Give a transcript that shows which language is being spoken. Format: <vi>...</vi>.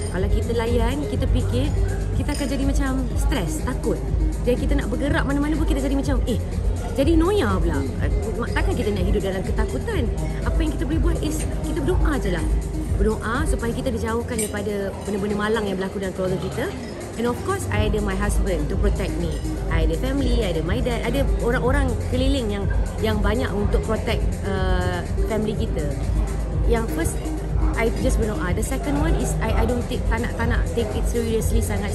<ms>Kalau kita layan, kita fikir kita akan jadi macam stres, takut. Jadi kita nak bergerak mana-mana pun kita jadi macam jadi noia pula. Takkan kita nak hidup dalam ketakutan. Apa yang kita boleh buat is kita berdoa je lah. Berdoa supaya kita dijauhkan daripada benda-benda malang yang berlaku dalam keluarga kita.</ms> <en>And of course, I ada my husband to protect me.</en> <ms>I ada family, I ada</ms> <en>my dad,</en> <ms>ada orang-orang keliling yang yang banyak untuk protect family kita. Yang first,</ms> <en>I just</en> <ms>berdoa.</ms> <en>The second one is I don't take,</en> <ms>tak nak</ms> <en>take it seriously sangat.</en>